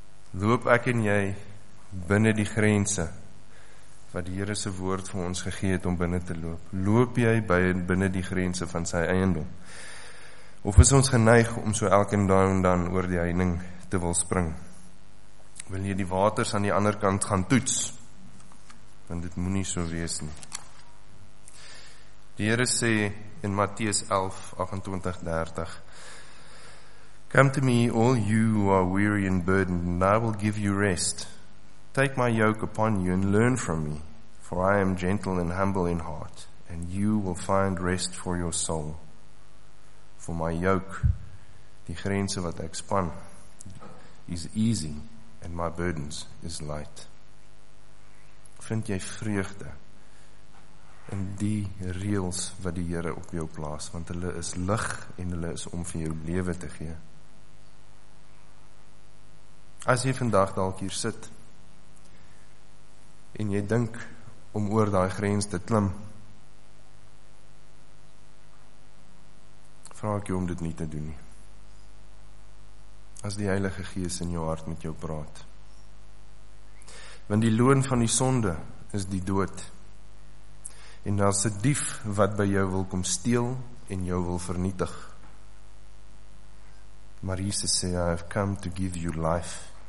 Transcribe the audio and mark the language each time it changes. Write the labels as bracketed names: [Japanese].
[Afrikaans] Loop ek en jy binne die grense wat die Here se woord vir ons gegee het om binne te loop. Loop jy binne die grense van sy eiendom? Of is ons geneig om so elke dan oor die heining te wil spring? Wil jy die waters aan die ander kant gaan toets? Want dit moet nie so wees nie. Die Here sê in Matteus [English] 11:28-30, Come to me, all you who are weary and burdened, and I will give you rest. Take my yoke upon you and learn from me, for I am gentle and humble in heart, and you will find rest for your soul. For my yoke, [Afrikaans] die grense wat ek span, [English] is easy, and my burdens is light. [Afrikaans] Vind jy vreugde in die reëls wat die Here op jou plaas, want hulle is lig en hulle is om vir jou lewe te gee. As jy vandag dalk hier sit en jy dink om oor daai grens te klim, vra ek jou om dit nie te doen nie. As die Heilige Gees in jou hart met jou praat. Want die loon van die sonde is die dood. En daar is 'n dief wat by jou wil kom steel en jou wil vernietig. Maar Jesus sê, [English] I have come to give you life.